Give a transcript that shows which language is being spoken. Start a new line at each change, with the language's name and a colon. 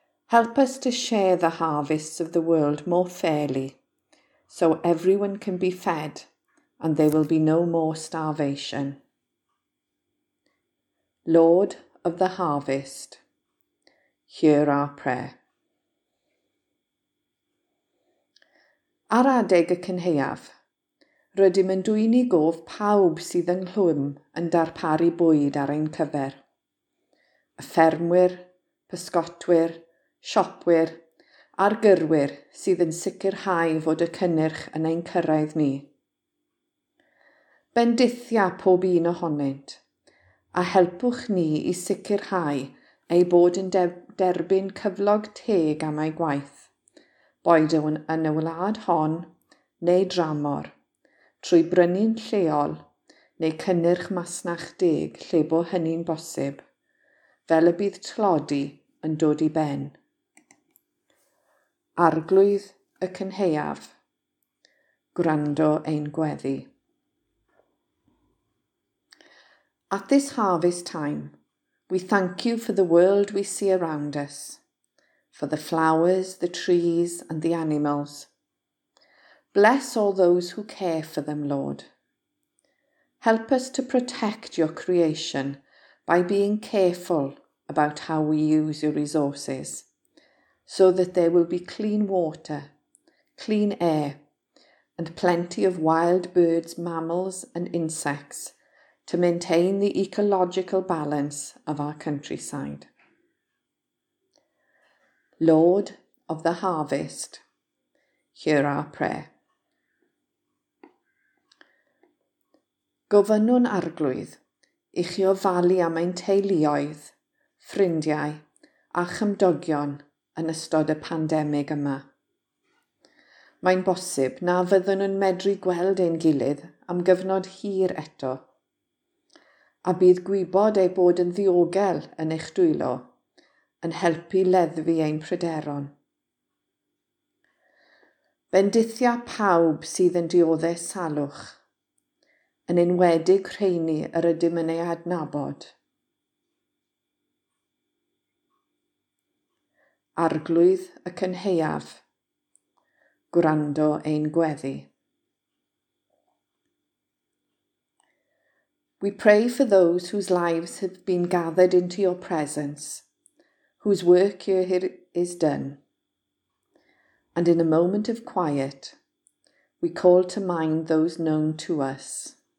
English: Help us to share the harvests of the world more fairly, so everyone can be fed and there will be no more starvation. Lord of the harvest, hear our prayer.
Welsh: Ar adeg y cynhaeaf, rydym yn dwyn i gof pawb sydd ynghlwm yn darparu bwyd ar ein cyfer. Y ffermwyr, pysgotwyr, siopwyr a'r gyrwyr sydd yn sicrhau fod y cynnyrch yn ein cyrraedd ni. Bendithia pob un ohonynt a helpwch ni i sicrhau ei bod yn derbyn cyflog teg am ei gwaith, boed yn y wlad hon neu dramor, trwy brynu'n lleol neu cynnyrch masnach deg lle bo hynny'n bosib, fel y bydd tlodi yn dod i ben. Arglwydd y cynhaeaf, gwrando ein gweddi.
English: At this harvest time, we thank you for the world we see around us, for the flowers, the trees and the animals. Bless all those who care for them, Lord. Help us to protect your creation by being careful about how we use your resources, so that there will be clean water, clean air, and plenty of wild birds, mammals, and insects to maintain the ecological balance of our countryside. Lord of the harvest, hear our prayer.
Welsh: Gofynnwn arglwydd i chi ofalu am ein teuluoedd, ffrindiau a chymdogion yn ystod y pandemig yma. Mae'n bosib na fyddwn nhw'n medru gweld ein gilydd am gyfnod hir eto, a bydd gwybod ei bod yn ddiogel yn eich dwylo yn helpu leddfu ein pryderon. Bendithia pawb sydd yn dioddau salwch, yn enwedig rheini yr ydym yn ei adnabod. Arglwydd y cynhaeaf, gwrando ein gweddi.
English: We pray for those whose lives have been gathered into your presence, whose work here is done. And in a moment of quiet, we call to mind those known to us.